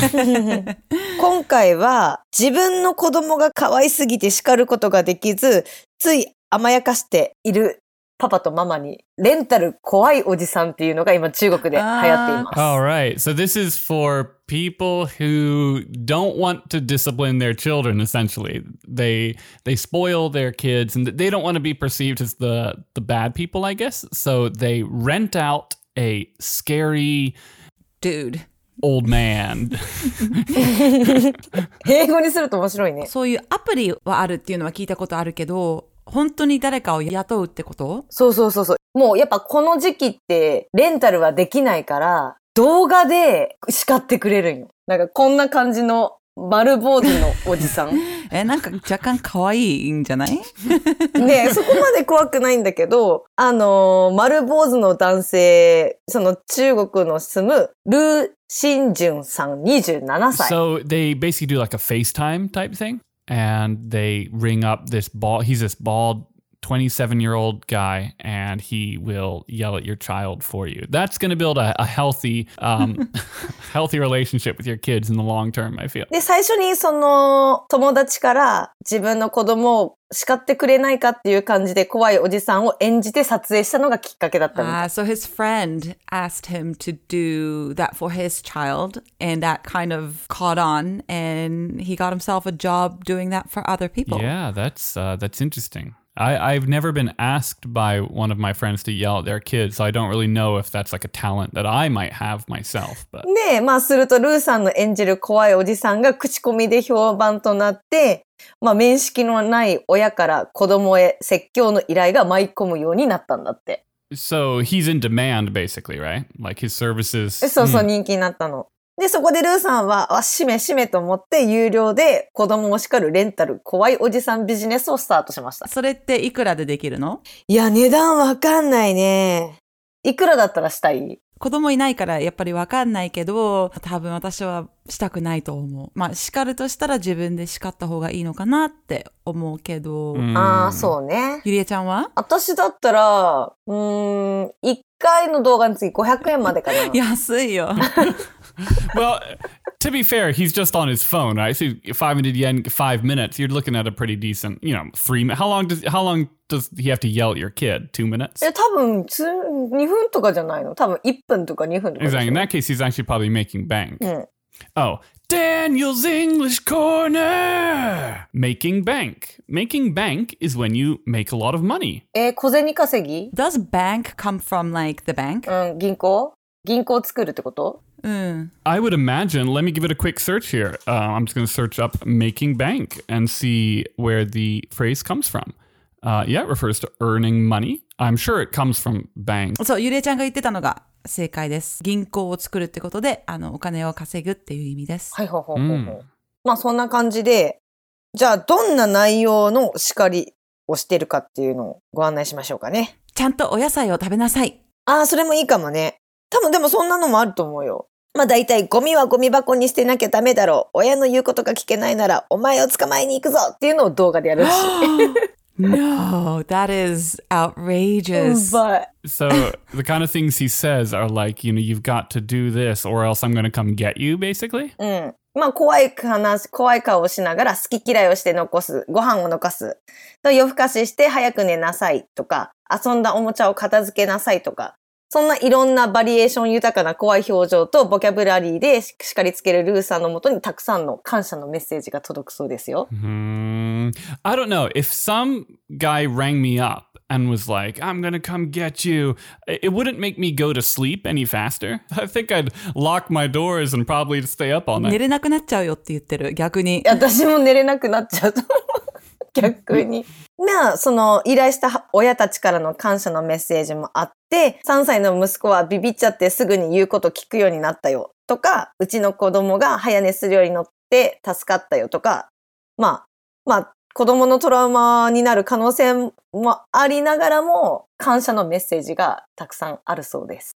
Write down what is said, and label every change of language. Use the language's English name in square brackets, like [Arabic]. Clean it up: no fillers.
[Japanese] 今回は自分の子供が可愛すぎて叱ることができず、つい甘やかしているパパとママにレンタル怖いおじさんっていうのが今中国で流行っています。 [English] All right. So this is for people who don't want to discipline their children, essentially. They spoil their kids and they don't want to be perceived as the bad people, I guess. So they rent out a scary dude. Old man. [Japanese] 英語にすると面白いね。そういうアプリはあるっていうのは聞いたことあるけど、本当に誰かを雇うってこと？そうそうそうそう。もうやっぱこの時期ってレンタルはできないから、動画で叱ってくれるんよ。なんかこんな感じの丸坊主のおじさん。なんか若干可愛いんじゃない？ねえ、そこまで怖くないんだけど、丸坊主の男性、その中国の住むルー・シンジュンさん、27歳。 [English] So they basically do like a FaceTime type thing, and they ring up this bald, he's this bald 27-year-old guy, and he will yell at your child for you. That's going to build a healthy, healthy relationship with your kids in the long term, I feel. [Japanese] で、最初にその友達から自分の子供を叱ってくれないかっていう感じで怖いおじさんを演じて撮影したのがきっかけだったみたい。 [English] So his friend asked him to do that for his child, and that kind of caught on, and he got himself a job doing that for other people. Yeah, that's interesting. I've never been asked by one of my friends to yell at their kids, so I don't really know if that's like a talent that I might have myself. But... [Japanese] ねえ、まあするとルーさんの演じる怖いおじさんが口コミで評判となって、まあ面識のない親から子供へ説教の依頼が舞い込むようになったんだって。 [English] So he's in demand basically, right? Like his services... [Japanese] そうそう、人気になったの。でそこでルーさんはしめしめと思って有料で子供を叱るレンタル怖いおじさんビジネスをスタートしました。それっていくらでできるの？いや値段わかんないね。いくらだったらしたい？子供いないからやっぱりわかんないけど、多分私はしたくないと思う。まあ叱るとしたら自分で叱った方がいいのかなって思うけど。ああそうね。ゆりえちゃんは？私だったら1回の動画につき500円までかな。安いよ。 [English] Well, to be fair, he's just on his phone, right? So 500 yen, 5 minutes, you're looking at a pretty decent, you know, how long does he have to yell at your kid? 2 minutes? [Japanese] え、多分2分とかじゃないの。多分1分とか2分とか。 [English] Exactly. In that case, he's actually probably making bank. Mm. Oh, Daniel's English Corner! Making bank. Making bank is when you make a lot of money. [Japanese] 小銭稼ぎ? [English] Does bank come from, like, the bank? [Japanese] 銀行?銀行作るってこと? [English] I would imagine, let me give it a quick search here. I'm just going to search up making bank and see where the phrase comes from. Yeah, it refers to earning money. I'm sure it comes from bank. [Japanese] そう、ゆりえちゃんが言ってたのが正解です。銀行を作るってことで、お金を稼ぐっていう意味です。はい、ほうほうほう。まあそんな感じで、じゃあどんな内容の叱りをしてるかっていうのをご案内しましょうかね。ちゃんとお野菜を食べなさい。ああ、それもいいかもね。多分でもそんなのもあると思うよ。まあ大体ゴミはゴミ箱にしてなきゃダメだろう。親の言うことが聞けないならお前を捕まえに行くぞっていうのを動画でやるし。 [English] No, that is outrageous. But... So the kind of things he says are like, you know, you've got to do this or else I'm going to come get you, basically. [Japanese] まあ怖い顔をしながら好き嫌いをして残す、ご飯を残す。と夜更かしして早く寝なさいとか、遊んだおもちゃを片付けなさいとか。そんないろんなバリエーション豊かな怖い表情とボキャブラリーで叱りつけるルーさんのもとにたくさんの感謝のメッセージが届くそうですよ。 [English] I don't know. If some guy rang me up and was like, I'm gonna come get you, it wouldn't make me go to sleep any faster. I think I'd lock my doors and probably stay up all night. [Japanese] 寝れなくなっちゃうよって言ってる、逆に。私も寝れなくなっちゃうと思う。逆に。まあ、その依頼した親たちからの感謝のメッセージもあって、3歳の息子はビビっちゃってすぐに言うこと聞くようになったよとか、うちの子供が早寝するように乗って助かったよとか、まあ、まあ、子供のトラウマになる可能性もありながらも、感謝のメッセージがたくさんあるそうです。